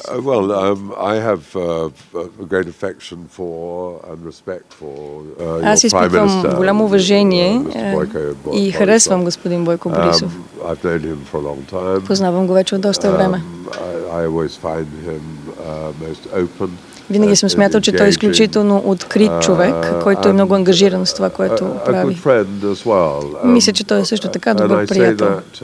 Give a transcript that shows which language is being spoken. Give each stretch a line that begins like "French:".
English: Well, I have a great affection for and respect for your Prime Minister.
Bulgarian: Аз изпитвам голямо уважение и харесвам господин Бойко Борисов.
English: I've known him for a long time.
Bulgarian: Познавам го вече от доста време.
English: I always find him most open.
Bulgarian: Винаги съм смятал, че той е изключително открит човек, който е много ангажиран с това, което прави. Мисля, че той е също така добър приятел.